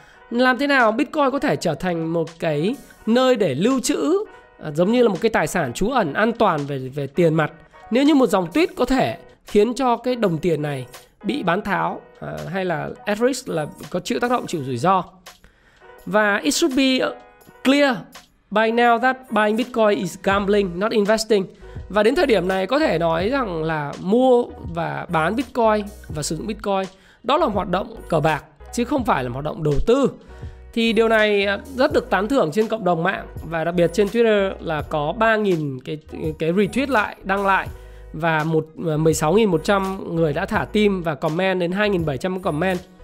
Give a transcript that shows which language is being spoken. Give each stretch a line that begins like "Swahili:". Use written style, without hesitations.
Vietnamese: Làm thế nào Bitcoin có thể trở thành một cái nơi để lưu trữ, giống như là một cái tài sản trú ẩn an toàn về tiền mặt, nếu như một dòng tweet có thể khiến cho cái đồng tiền này bị bán tháo, hay là at risk là có chịu tác động, chịu rủi ro.
English: Và it should be clear by now that buying Bitcoin is gambling, not investing.
Vietnamese: Và đến thời điểm này có thể nói rằng là mua và bán Bitcoin và sử dụng Bitcoin, đó là một hoạt động cờ bạc chứ không phải là một hoạt động đầu tư. Thì điều này rất được tán thưởng trên cộng đồng mạng, và đặc biệt trên Twitter là có 3.000 cái retweet lại, đăng lại, và 16.100 người đã thả tim và comment, đến 2.700 comment.